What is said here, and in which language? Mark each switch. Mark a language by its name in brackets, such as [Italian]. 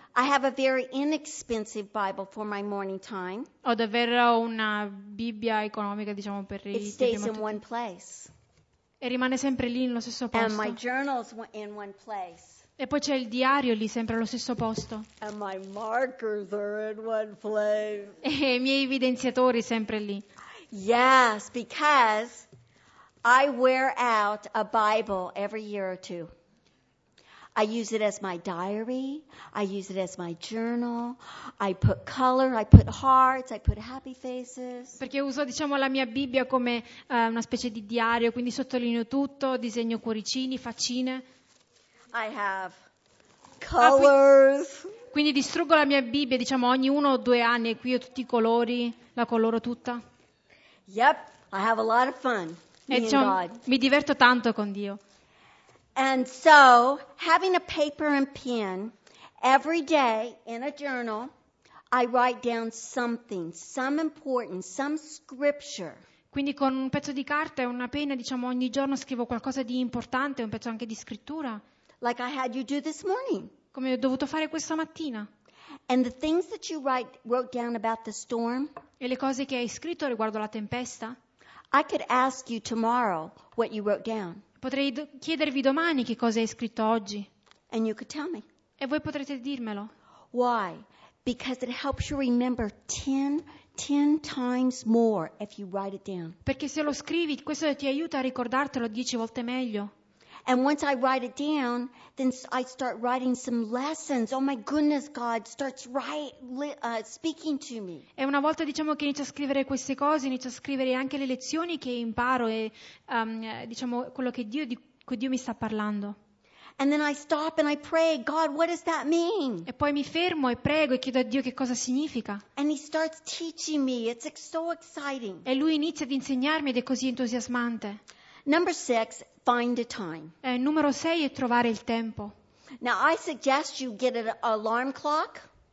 [English] I have a very inexpensive Bible for my morning time. [Italian] Ho davvero una Bibbia economica, diciamo, per il tempo mattutino. [English] It stays in one place. [Italian] E rimane sempre lì nello stesso posto. [English] And my journals in one place. [Italian] E poi c'è il diario lì sempre allo stesso posto. [English] And my markers are in one place. [Italian] E i miei evidenziatori sempre lì. [English] Yes, because I wear out a Bible every year or two. I use it as my diary. I use it as my journal. I put color. I put hearts. I put happy faces. [Italian] Perché uso, diciamo, la mia Bibbia come una specie di diario, quindi sottolineo tutto, disegno cuoricini, faccine. [English] I have colors. [Italian] Quindi distruggo la mia Bibbia, diciamo, ogni 1 o 2 anni, e qui ho tutti i colori, la coloro tutta. [English] Yep, I have a lot of fun. [Italian] E diciamo, mi diverto tanto con Dio. [English] And so, having a paper and pen, every day in a journal, I write down something, some important, some scripture. [Italian] Quindi con un pezzo di carta e una penna, diciamo, ogni giorno scrivo qualcosa di importante, un pezzo anche di scrittura. [English] Like I had you do this morning. [Italian] Come ho dovuto fare questa mattina. [English] And the things that you wrote down about the storm. [Italian] E le cose che hai scritto riguardo la tempesta. [English] I could ask you tomorrow what you wrote down. [Italian] Potrei chiedervi domani che cosa hai scritto oggi. [English] And you could tell me. [Italian] E voi potrete dirmelo. [English] Why? Because it helps you remember 10 times more if you write it down. [Italian] Perché se lo scrivi, questo ti aiuta a ricordartelo 10 volte meglio. [English] And once I write it down, then I start writing some lessons. Oh my goodness, God starts speaking to me. [Italian] E una volta, diciamo, che inizio a scrivere queste cose, inizio a scrivere anche le lezioni che imparo e diciamo quello che Dio, di cui Dio mi sta parlando. [English] And then I stop and I pray, God, what does that mean? [Italian] E poi mi fermo e prego e chiedo a Dio che cosa significa. [English] And he starts teaching me. It's so exciting. [Italian] E lui inizia ad insegnarmi ed è così entusiasmante. [English] Number 6, find a time. [Italian] Numero 6 è trovare il tempo. [English] Now I suggest you get an alarm clock.